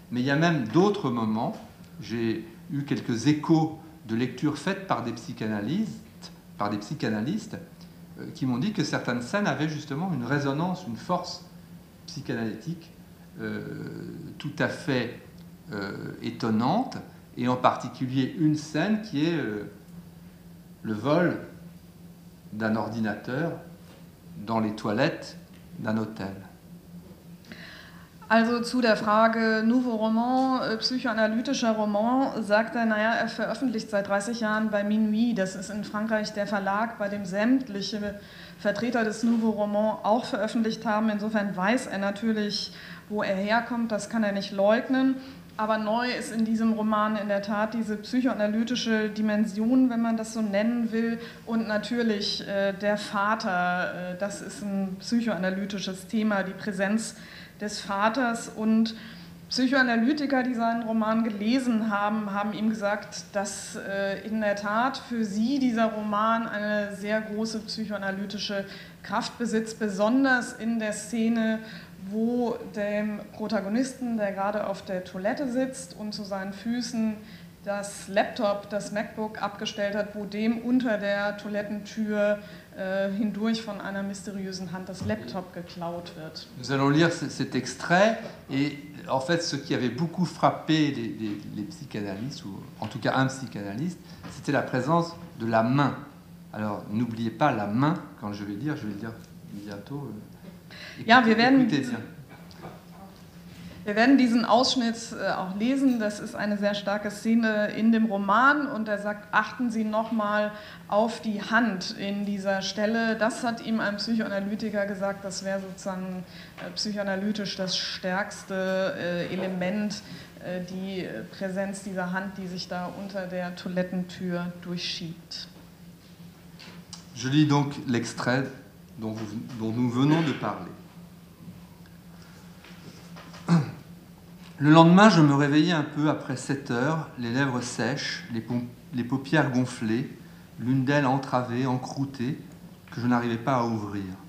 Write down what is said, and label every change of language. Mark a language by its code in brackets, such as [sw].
[fr] Mais il y a même d'autres moments, j'ai eu quelques échos de lectures faites par des psychanalystes, qui m'ont dit que certaines scènes avaient justement une résonance, une force psychanalytique tout à fait étonnante, et en particulier une scène qui est le vol d'un ordinateur dans les toilettes d'un hôtel. [de] Also zu der Frage Nouveau Roman, psychoanalytischer Roman, sagt er, er veröffentlicht seit 30 Jahren bei Minuit. Das ist in Frankreich der Verlag, bei dem sämtliche Vertreter des Nouveau Roman auch veröffentlicht haben. Insofern weiß er natürlich, wo er herkommt, das kann er nicht leugnen. Aber neu ist in diesem Roman in der Tat diese psychoanalytische Dimension, wenn man das so nennen will. Und natürlich der Vater, das ist ein psychoanalytisches Thema, die Präsenz des Vaters. Und Psychoanalytiker, die seinen Roman gelesen haben, haben ihm gesagt, dass in der Tat für sie dieser Roman eine sehr große psychoanalytische Kraft besitzt, besonders in der Szene, wo dem Protagonisten, der gerade auf der Toilette sitzt und zu seinen Füßen das Laptop, das MacBook abgestellt hat, wo dem unter der Toilettentür hindurch von einer mysteriösen Hand das Laptop geklaut wird. [fr] Nous allons lire cet extrait et en fait ce qui avait beaucoup frappé les psychanalystes, ou en tout cas un psychanalyste, c'était la présence de la main. Alors n'oubliez pas la main quand je vais le dire bientôt. Écoutez, [de] ja, wir werden... Wir werden diesen Ausschnitt auch lesen. Das ist eine sehr starke Szene in dem Roman. Und er sagt, achten Sie nochmal auf die Hand in dieser Stelle. Das hat ihm ein Psychoanalytiker gesagt, das wäre sozusagen psychoanalytisch das stärkste Element, die Präsenz dieser Hand, die sich da unter der Toilettentür durchschiebt. [fr] Je lis donc l'extrait dont nous venons de parler. Le lendemain, je me réveillais un peu après 7 heures, les lèvres sèches, les paupières gonflées, l'une d'elles entravée, encroûtée, que je n'arrivais pas à ouvrir.